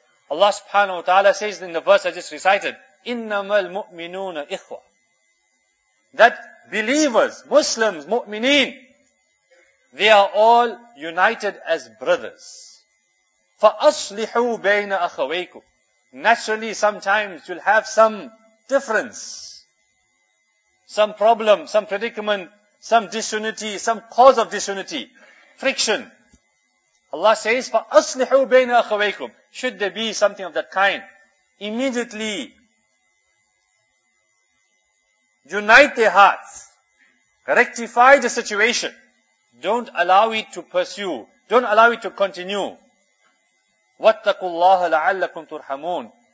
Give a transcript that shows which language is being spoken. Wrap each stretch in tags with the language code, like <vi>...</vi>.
<en>Allah subhanahu wa ta'ala says in the verse I just recited,</en> <ar>إِنَّمَا الْمُؤْمِنُونَ إِخْوَةً,</ar> <en>that believers, Muslims, mu'mineen, they are all united as brothers.</en> <ar>فَأَصْلِحُوا بَيْنَ أَخَوَيْكُمْ.</ar> <en>Naturally, sometimes you'll have some difference, some problem, some predicament, some disunity, some cause of disunity, friction. Allah says,</en> <ar>فَأَصْلِحُوا بَيْنَ أَخَوَيْكُمْ.</ar> <en>Should there be something of that kind, immediately unite their hearts, rectify the situation. Don't allow it to pursue. Don't allow it to continue.</en> <ar>وَاتَّقُوا اللَّهَ لَعَلَّكُمْ تُرْحَمُونَ.</ar>